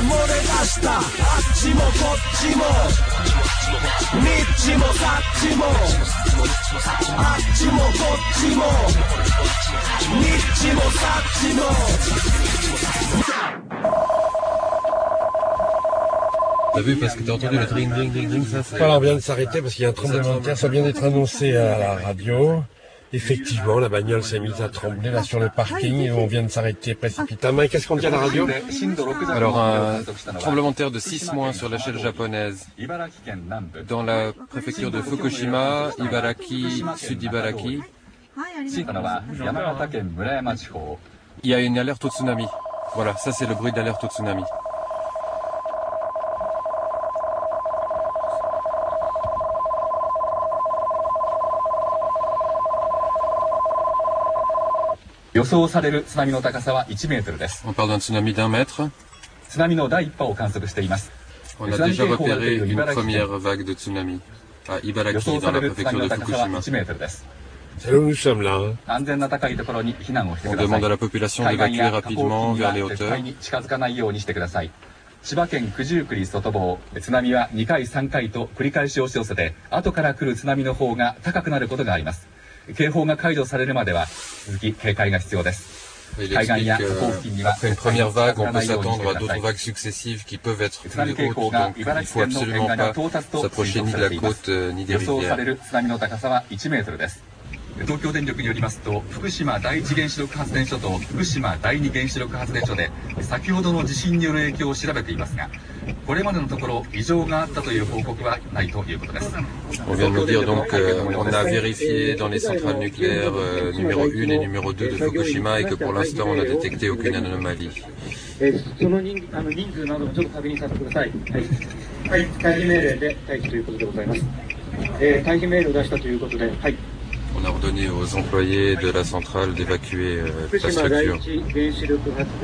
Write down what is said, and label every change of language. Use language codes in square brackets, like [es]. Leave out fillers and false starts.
[ja] 漏れ出したあっちもこっちもみっちもさっちもあっちもこっちもみっちもさっちも。 [fr] T'as vu, parce que t'as entendu le dring, dring, dring, dring, ça c'est... Alors, on vient de s'arrêter parce qu'il y a un tremblement de terre, ça vient d'être annoncé à la radio. Effectivement, la bagnole s'est mise à trembler là sur le parking et on vient de s'arrêter précipitamment. Et qu'est-ce qu'on dit à la radio? Alors, un tremblement de terre de 6 mois sur l'échelle japonaise. Dans la préfecture de Fukushima, Ibaraki, Sud-Ibaraki. Il y a une alerte au tsunami. Voilà, ça c'est le bruit d'alerte au tsunami. Y [ja] 予想される津波の高さは1メートルです。 [fr] On parle d'un tsunami d'un mètre. [ja] 津波の第一波を観測しています。 [fr] On a déjà repéré une première vague de tsunami à Ibaraki dans la préfecture de Fukushima. [ja] 1メートルです。 [fr] C'est là où nous sommes là. [ja] 安全な高いところに避難をしてください。 [fr] On demande à la population d'évacuer rapidement vers les hauteurs. [ja] 海岸や河口に近づかないようにしてください。千葉県九十九里外房、津波は2回3回と繰り返し押し寄せて、後から来る津波の方が高くなることがあります。警報が解除されるまでは続き警戒が必要です。海岸や河口付近には絶対に近づかないようにしてください。津波警報が茨城県の沿岸に到達と推測されています。予想される津波の高さは1メートルです。東京電力によりますと、福島第一原子力発電所と福島第二原子力発電所で先ほどの地震による影響を調べていますが、これまでのところ異常があったという報告はないということです。 [fr] On vient de nous dire donc qu'on a vérifié dans les centrales nucléaires numéro 1 et numéro 2 de Fukushima et que pour l'instant on a détecté aucune anomalie. [ja] その人数などをちょっと確認させてください。はい、退避命令で退避ということでございます。退避命令を出したということで、はい。 [fr] On a ordonné aux employés de la centrale d'évacuer la structure.